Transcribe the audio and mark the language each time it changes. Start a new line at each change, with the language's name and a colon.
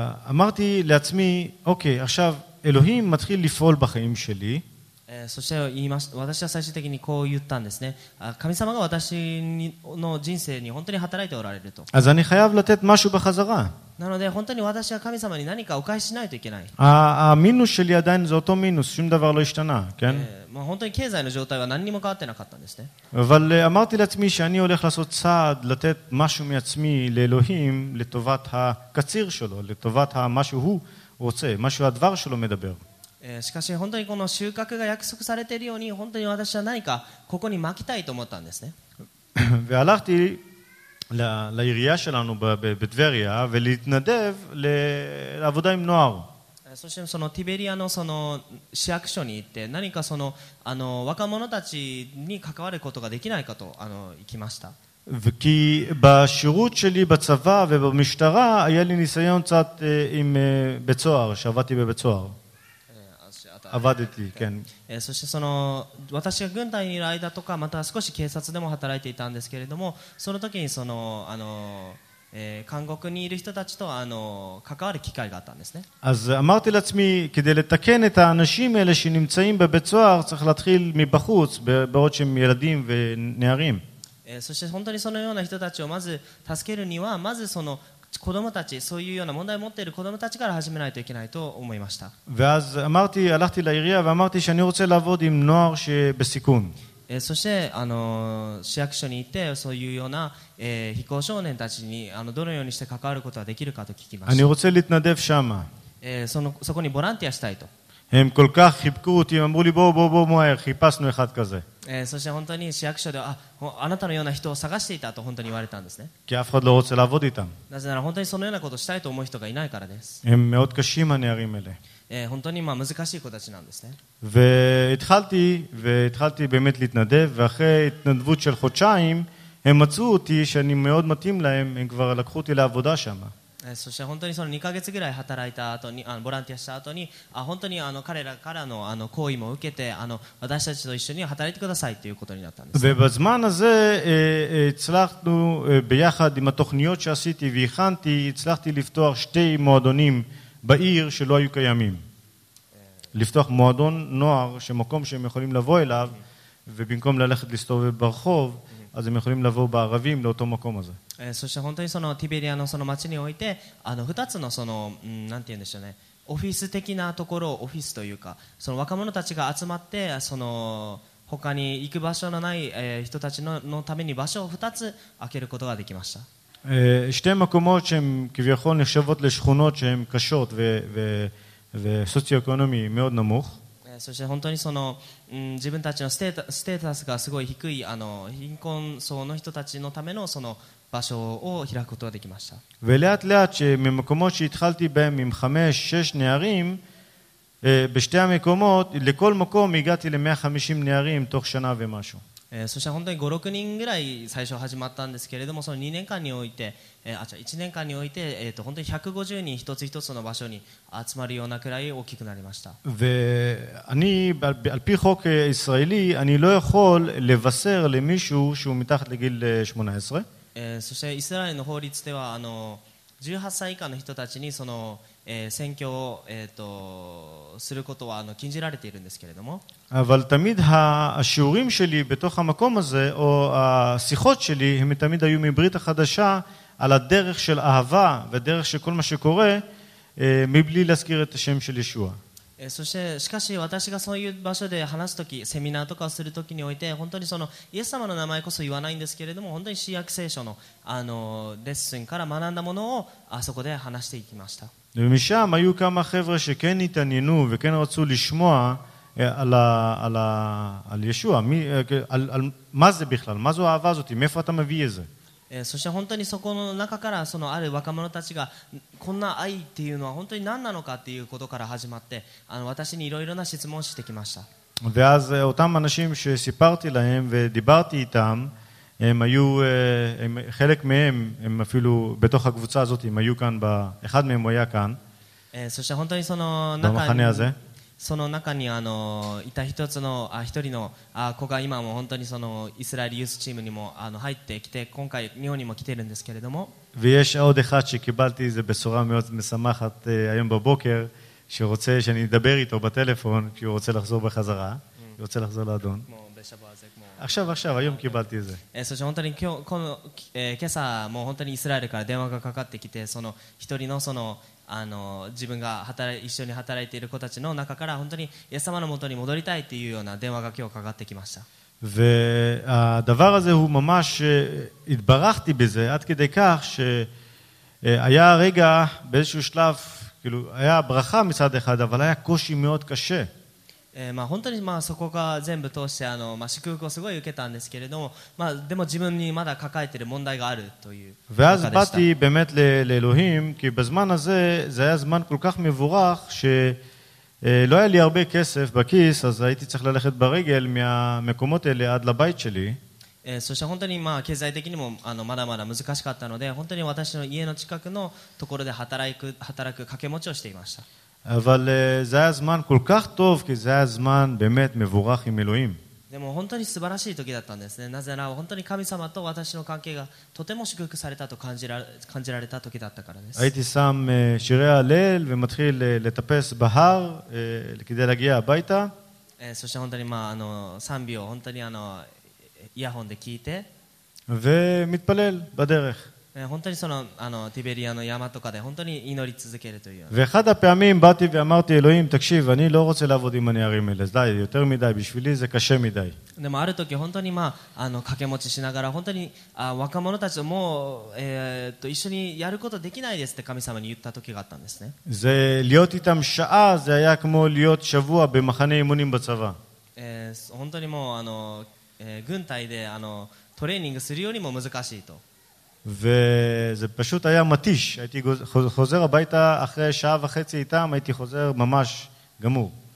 Hebrew: אמרתי לעצמי, אוקיי, עכשיו אלוהים מתחיל לפעול בחיים שלי.
Japanese: そして言いました、私は最終的にこう言ったんですね。神様が私の人生に本当に働いておられると。
Hebrew: אז אני חייב לתת משהו בחזרה.
Japanese: なので本当に私は神様に何かお返ししないといけない。
Hebrew: המינוס שלי עדיין זה אותו מינוס, שום דבר לא השתנה, כן?
Japanese: まあ本当に経済の状態は何にも変わってなかったんですね。
Hebrew: אבל אמרתי לעצמי שאני הולך לעשות צעד לתת משהו מעצמי לאלוהים לטובת הקציר שלו, לטובת מה שהוא רוצה, מה שהדבר שלו מדבר.
Japanese: しかし本当にこの収穫が約束されているように本当に私は何かここに巻きたいと思ったんですね。
Hebrew: והלכתי לעירייה שלנו בטבריה ולהתנדב לעבודה עם נוער.
Japanese: そしてそのティベリアのその市役所に行って何かその若者たちに関わることができないかと行きました。
Hebrew: וכי בשירות שלי בצבא ובמשטרה היה לי ניסיון קצת עם בית סוהר, שעבדתי בבית סוהר. עבדתי, כן.
Japanese: そしてその私が軍隊にいる間とかまた少し警察でも働いていたんですけれども、その時にその監獄にいる人たちと関わる機会があったんですね。
Hebrew: אז אמרתי לעצמי, כדי לתקן את האנשים האלה שנמצאים בבית סוהר צריך להתחיל מבחוץ, בעוד שהם ילדים ונערים.
Japanese: そして本当にそのような人たちをまず助けるにはまずその子供たち、そういうような問題を持っている子供たちから始めないといけないと思いました。
Hebrew: ואז אמרתי, הלכתי לעירייה ואמרתי שאני רוצה לעבוד עם נוער שבסיכון.
Japanese: そして市役所に行ってそういうような非行少年たちにどのようにして関わることができるかと聞きました。
Hebrew: אני רוצה להתנדב שמה.
Japanese: そこにボランティアしたいと。
Hebrew: הם כל כך חיבקו אותי, הם אמרו לי, בוא, בוא, בוא, מהר, חיפשנו אחד כזה.
Japanese: そして本当に市役所で、あなたのような人を探していたと本当に言われたんですね。
Hebrew: כי אף אחד לא רוצה לעבוד איתם.
Japanese: なぜなら本当にそのようなことをしたいと思う人がいないからです。
Hebrew: הם מאוד קשים הנערים האלה.
Japanese: 本当にまあ難しい子たちなんですね。
Hebrew: והתחלתי באמת להתנדב, ואחרי התנדבות של חודשיים, הם מצאו אותי שאני מאוד מתאים להם, הם כבר לקחו אותי לעבודה שם.
Japanese: そして本当にその2ヶ月ぐらい働いた後にボランティアした後に本当にあの彼らからのあの好意も受けてあの私たちと一緒に働いてくださいということになったんです。
Hebrew: ובזמן הזה הצלחנו ביחד עם התוכניות שעשיתי והכנתי הצלחתי לפתוח שתי מועדונים בעיר שלא היו קיימים. לפתוח מועדון נוער שמקום שהם יכולים לבוא אליו ובמקום ללכת לסתובב ברחוב אז הם יכולים לבוא בערבים לאותו מקום הזה.
Japanese: そして本当にそのティベリアのその町においてあの2つのそのなんて言うんでしょうねオフィス的なところオフィスというかその若者たちが集まってその他に行く場所のない人たちのために場所を2つ開けることができました。
Hebrew: שתי מקומות שהם כביכול נחשבות לשכונות שהן קשות וסוציו-אקונומי מאוד נמוך.
Japanese: そして本当にその自分たちのステータスがすごい低いあの貧困層の人たちのためのその場所を開くことができました。
Hebrew: ולאט לאט שממקומות שהתחלתי בהם עם 5-6 נערים בשתי המקומות לכל מקום הגעתי ל-150 נערים תוך שנה ומשהו.
Japanese: そして本当に 5-6 人ぐらい最初始まったんですけれどもその2年間において1年間において本当に150人一つ一つの場所に集まるようなくらい大きくなりました。
Hebrew: ואני על פי חוק ישראלי אני לא יכול לבשר למישהו שהוא מתחת לגיל 18.
Japanese: そしてイスラエルの法律ではあの18歳以下の人たちにその選挙をすることはあの禁じられているんですけれども。
Hebrew: אבל תמיד השיעורים שלי בתוך המקום הזה או השיחות שלי הם תמיד היו מברית החדשה על הדרך של אהבה ודרך שכל מה שקורה מבלי להזכיר את השם של ישוע.
Japanese: そしてしかし私がそういう場所で話すときセミナーとかをするときにおいて本当にそのイエス様の名前こそ言わないんですけれども本当に新約聖書のあのレッスンから学んだものをあそこで話していきました。
Hebrew: ומשם היו כמה חבר'ה שכן התעניינו וכן רצו לשמוע על על ישוע על מה זה בכלל מה זו האהבה הזאת מאיפה אתה מביא את זה.
Japanese: そして本当にそこの中からそのある若者たちがこんな愛っていうのは本当に何なのかっていうことから始まってあの私にいろいろな質問をしてきました。
Hebrew: ואז אותם אנשים שסיפרתי להם ודיברתי איתם הם היו חלק מהם הם אפילו בתוך הקבוצה הזאת הם היו כאן אחד מהם היה כאן.
Japanese: そして本当にその中にその中にその中にあのいた一つの一人の子が今も本当にそのイスラエルユースチームにもあの入ってきて今回日本にも来てるんですけれども。
Hebrew: ויש עוד אחד שקיבלתי זה בשורה מאוד משמחת היום בבוקר שרוצה שאני אדבר איתו בטלפון כי הוא רוצה לחזור בחזרה. הוא רוצה לחזור לאדון. כמו בשבוע הזה כמו עכשיו היום קיבלתי את זה.
Japanese: そして本当に今日この今朝もう本当にイスラエルから電話がかかってきてその一人のそのあの自分が一緒に働いている子たちの中から本当にイエス様のもとに戻りたいというような電話が今日かかってきました。
Hebrew: והדבר הזה הוא ממש התברכתי בזה עד כדי כך שהיה רגע באיזשהו שלב כאילו היה ברכה מצד אחד אבל היה קושי מאוד קשה.
Japanese: まあ本当にまあそこが全部通してあのまあ祝福をすごい受けたんですけれどもまあでも自分にまだ抱えている問題があるという中でした。
Hebrew: ואז באתי באמת לאלוהים כי בזמן הזה זה היה זמן כל כך מבורך שלא היה לי הרבה כסף בכיס אז הייתי צריך ללכת ברגל מהמקומות האלה עד לבית שלי.
Japanese: そして本当にまあ経済的にもあのまだまだ難しかったので本当に私の家の近くのところで働く掛け持ちをしていました。
Hebrew: אבל זה היה זמן כל כך טוב כי זה היה זמן באמת מבורך עם אלוהים.
Japanese: でも本当に素晴らしい時だったんですね。なぜなら本当に神様と私の関係がとても祝福されたと感じられた時だったからです。
Hebrew: הייתי שם שירי הלל ומתחיל לטפס בהר כדי להגיע הביתה.
Japanese: そして本当にまああの賛美を本当にあのイヤホンで聞いて
Hebrew: ומתפלל בדרך.
Japanese: 本当にその、あの、ティベリアの山とかで本当に祈り続けるという。
Hebrew: ואחד הפעמים באתי ואמרתי אלוהים תקשיב אני לא רוצה לעבוד עם הנערים האלה די יותר מדי בשבילי זה קשה מדי.
Japanese: でもある時本当にまああの掛け持ちしながら本当にあ若者たちともう一緒にやることできないですって神様に言った時があったんですね。
Hebrew: זה להיות איתם שעה זה היה כמו להיות שבוע במחנה אימונים בצבא.
Japanese: 本当にもうあの軍隊であのトレーニングするよりも難しいと。
Hebrew: וזה פשוט היה מתיש. הייתי חוזר הביתה אחרי שעה וחצי איתם, הייתי חוזר ממש גמור.